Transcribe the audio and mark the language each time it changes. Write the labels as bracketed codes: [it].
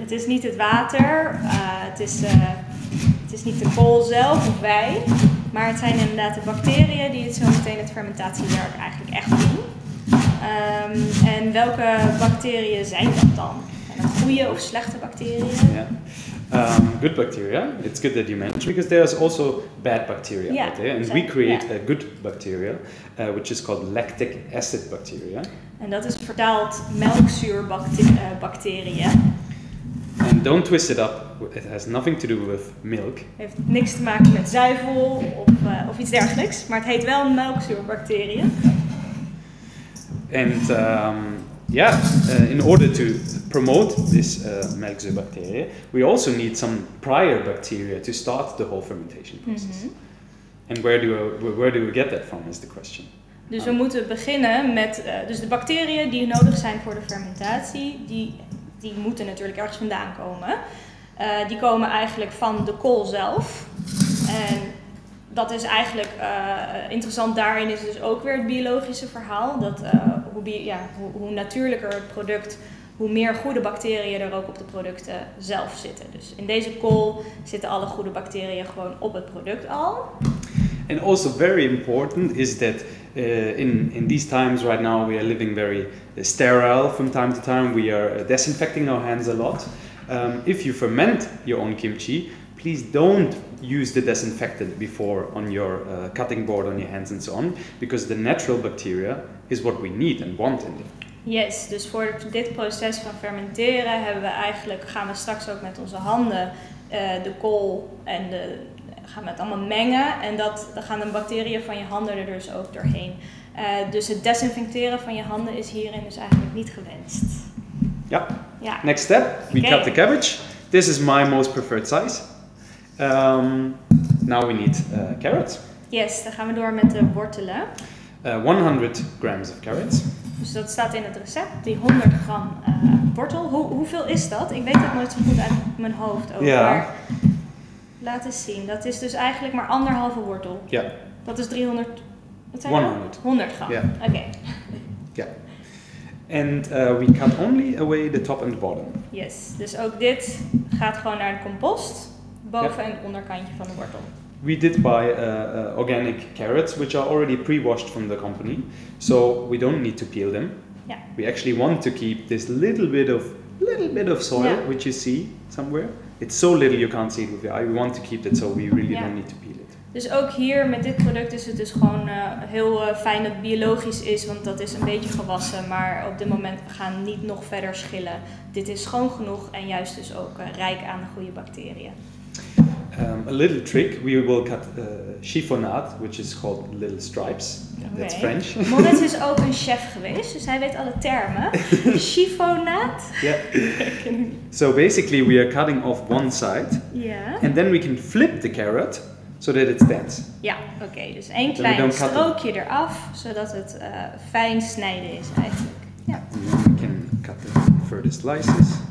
[nl] Het is niet het water, het is is niet de kool zelf of wij, maar het zijn inderdaad de bacteriën die het zo meteen het fermentatiewerk eigenlijk echt doen. En welke bacteriën zijn dat dan? Goede of slechte bacteriën? [en] Yeah. Good bacteria, it's good that you mentioned, because there's also bad bacteria out there. And we create a good bacteria, which is called lactic acid bacteria. [nl] En dat is vertaald melkzuurbacteriën. [en] And don't twist it up, it has nothing to do with milk. [nl] Heeft niks te maken met zuivel of iets dergelijks, maar het heet wel melkzuurbacteriën. [en] And in order to promote this melkzuur bacteria, we also need some prior bacteria to start the whole fermentation process. Mm-hmm. And where do we get that from is the question. [nl] Dus we moeten beginnen met dus de bacteriën die nodig zijn voor de fermentatie, die moeten natuurlijk ergens vandaan komen. Die komen eigenlijk van de kool zelf. En dat is eigenlijk interessant daarin is dus ook weer het biologische verhaal. Dat hoe natuurlijker het product, hoe meer goede bacteriën er ook op de producten zelf zitten. Dus in deze kool zitten alle goede bacteriën gewoon op het product al. [en] And also very important is that in these times right now we are living very sterile from time to time. We are disinfecting our hands a lot. If you ferment your own kimchi, please don't use the disinfectant before on your cutting board, on your hands and so on. Because the natural bacteria is what we need and want in there. [nl] Yes, dus voor dit proces van fermenteren gaan we straks ook met onze handen de kool en de... gaan we het allemaal mengen en dat dan gaan de bacteriën van je handen er dus ook doorheen. Dus het desinfecteren van je handen is hierin dus eigenlijk niet gewenst. [en] Ja, ja. Next step, we cut the cabbage. This is my most preferred size. Now we need carrots. [nl] Yes, dan gaan we door met de wortelen. [en] 100 grams of carrots. [nl] Dus dat staat in het recept, die 100 gram wortel. Hoeveel is dat? Ik weet het nooit zo goed uit mijn hoofd over. [en] Yeah. [nl] Laat eens zien. Dat is dus eigenlijk maar anderhalve wortel. Ja. Yeah. Dat is 300... Wat zijn 100. Dat? 100 gram. Ja. Yeah. Oké. [en] Okay. Ja. Yeah. And we cut only away the top and the bottom. Yes. [nl] Dus ook dit gaat gewoon naar de compost. Boven en onderkantje van de wortel. [en] We did buy organic carrots, which are already pre-washed from the company. So we don't need to peel them. Ja. Yeah. We actually want to keep this little bit of soil, yeah, which you see somewhere. It's so little you can't see it with your eye. We want to keep it, so we really don't need to peel it. [nl] Dus ook hier met dit product is het dus gewoon heel fijn dat het biologisch is, want dat is een beetje gewassen. Maar op dit moment gaan we niet nog verder schillen. Dit is schoon genoeg en juist dus ook rijk aan de goede bacteriën. [en] A little trick, we will cut chiffonade, which is called little stripes. Okay. That's French. [nl] Moritz is ook een chef geweest, dus hij weet alle termen. Chiffonade? [en] Yeah. So basically we are cutting off one side. Yeah. And then we can flip the carrot, so that it stands. Ja, oké. Okay. [nl] Dus één klein strookje eraf, zodat het fijn snijden is eigenlijk. [en] Yeah. And then we can cut the further slices.